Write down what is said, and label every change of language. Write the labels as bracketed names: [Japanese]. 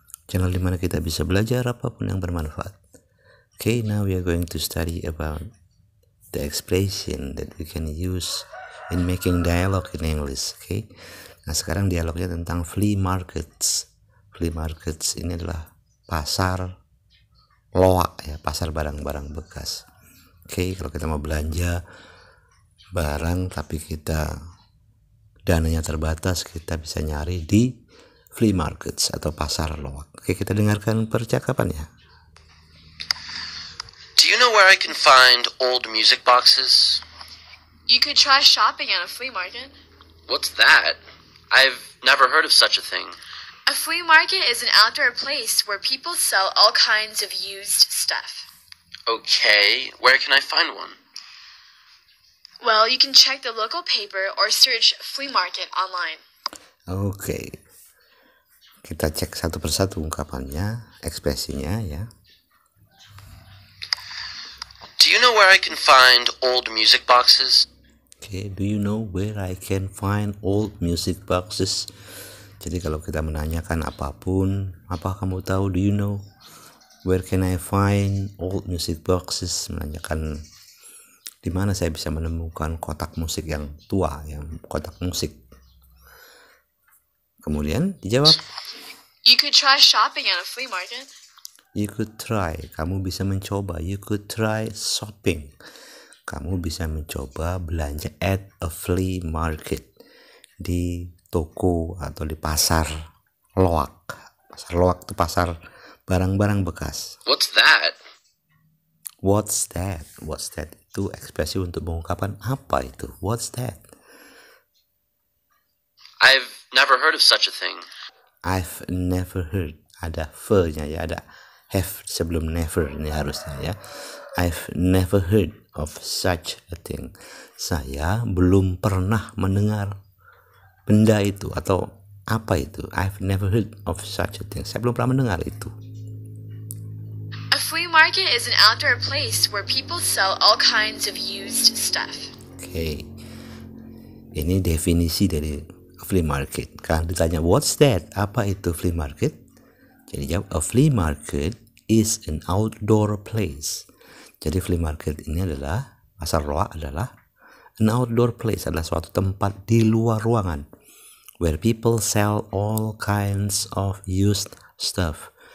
[Indonesian] Channel di mana kita bisa belajar apapun yang bermanfaat. [English] Okay, now we are going to study about the expression that we can use in making dialogue in English. [Indonesian] Okay. Nah, sekarang dialognya tentang flea markets. Flea markets ini adalah pasar loak ya, pasar barang-barang bekas. Okay, kalau kita mau belanja barang tapi kita dananya terbatas, kita bisa nyari di flea markets atau pasar loak. Oke, kita dengarkan percakapannya. [English] Do you know where I can find old music boxes? You could try shopping at a flea market. What's that? I've never heard of such a thing. A flea market is an outdoor place where people sell all kinds of used stuff. Okay, where can I find one? Well, you can check the local paper or search flea market online. Okay. [Indonesian] Kita cek satu persatu ungkapannya, ekspresinya ya. [English] Do you know where I can find old music boxes? Okay, do you know where I can find old music boxes? [Indonesian] Jadi kalau kita menanyakan apapun, apa kamu tahu, [English] do you know where can I find old music boxes? [Indonesian] Menanyakan di mana saya bisa menemukan kotak musik yang tua, yang kotak musik. Kemudian dijawab. [English] You could try shopping at a flea market. You could try. [Indonesian] Kamu bisa mencoba. [English] You could try shopping. [Indonesian] Kamu bisa mencoba belanja [English] at a flea market. [Indonesian] Di toko atau di pasar loak. Pasar loak itu pasar barang-barang bekas. [English] What's that? What's that? What's that? [Indonesian] Itu ekspresi untuk mengungkapkan apa itu. [English] What's that? I've never heard of such a thing. I've never heard. [Indonesian] Ada fear-nya ya. Ada have sebelum never ini harusnya ya. [English] I've never heard of such a thing. [Indonesian] Saya belum pernah mendengar benda itu atau apa itu. [English] I've never heard of such a thing. [Indonesian] Saya belum pernah mendengar itu. [English] Market is an outdoor place where people sell all kinds of used stuff. Okay. [Indonesian] Ini definisi dari flea market. Kan ditanya [English] what's that? [Indonesian] Apa itu flea market? Jadi jawab [English] a flea market is an outdoor place. [Indonesian] Jadi flea market ini adalah pasar loak adalah [English] an outdoor place [Indonesian] adalah suatu tempat di luar ruangan [English] where people sell all kinds of used stuff.